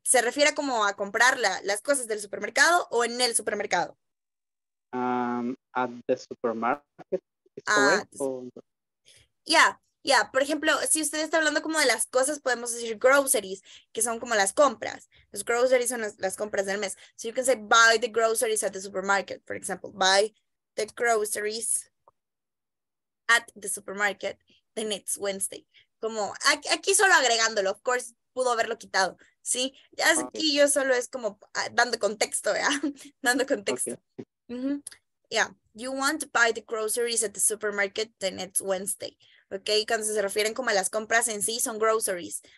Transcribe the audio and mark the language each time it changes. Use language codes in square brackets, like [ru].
[es] ¿Se refiere como a comprar las cosas del supermercado o en el supermercado? [en] At the supermarket. [es] Por ejemplo, si usted está hablando como de las cosas, podemos decir groceries, que son como las compras. Los groceries son las compras del mes. [en] So you can say buy the groceries at the supermarket, for example. Buy the groceries at the supermarket the next Wednesday. [es] Como aquí solo agregándolo, of course, pudo haberlo quitado, ¿sí? Ya aquí yo solo es como dando contexto, ¿ya? Dando contexto. Okay. Uh-huh. Yeah. [en] You want to buy the groceries at the supermarket the next Wednesday. [es] Ok, cuando se refieren como a las compras en sí, son groceries.